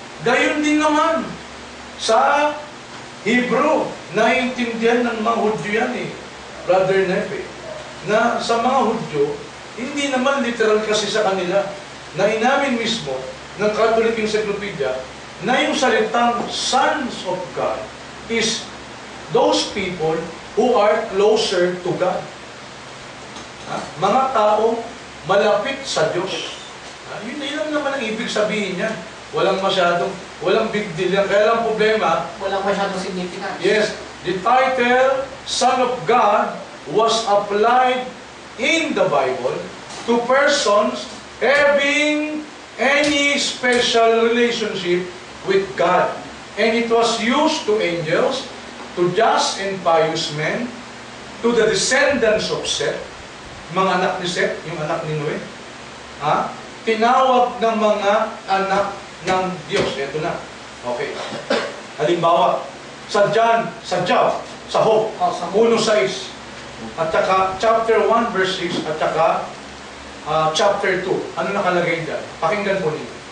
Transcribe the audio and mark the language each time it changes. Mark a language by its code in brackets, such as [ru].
[tl] Gayun din naman sa Hebrew, naiintindihan ng mga Hudyo yan eh, Brother Nefe, na sa mga Hudyo, hindi naman literal kasi sa kanila na inamin mismo ng Catholic Encyclopedia na yung salitang [en] sons of God is those people who are closer to God. [tl] Ha? Mga tao malapit sa Diyos. Ha? Yun lang naman ang ibig sabihin niya. Walang masyadong, walang big deal yan. Kaya lang problema. Walang masyadong significance. [en] Yes. The title, Son of God, was applied in the Bible to persons having any special relationship with God. And it was used to angels, to just and pious men, to the descendants of Seth, [tl] mga anak ni Seth, yung anak ni Noe. Ha? Tinawag ng mga anak ng Diyos. Ito na. Okay. Halimbawa, sa John, sa Job, sa Hope, 1:6, at saka chapter 1, verse 6, at saka chapter 2. Ano nakalagay dyan? Pakinggan po niyo.